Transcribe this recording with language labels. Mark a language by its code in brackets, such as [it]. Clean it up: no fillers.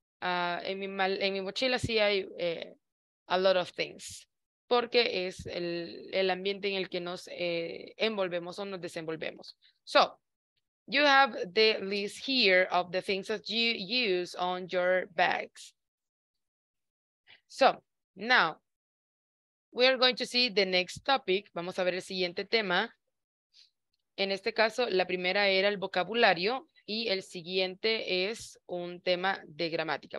[es] En mi mochila sí hay [en] a lot of things, [es] porque es el ambiente en el que nos envolvemos o nos desenvolvemos. [en] So, you have the list here of the things that you use on your bags. So, now, we are going to see the next topic. [es] Vamos a ver el siguiente tema. En este caso, la primera era el vocabulario y el siguiente es un tema de gramática.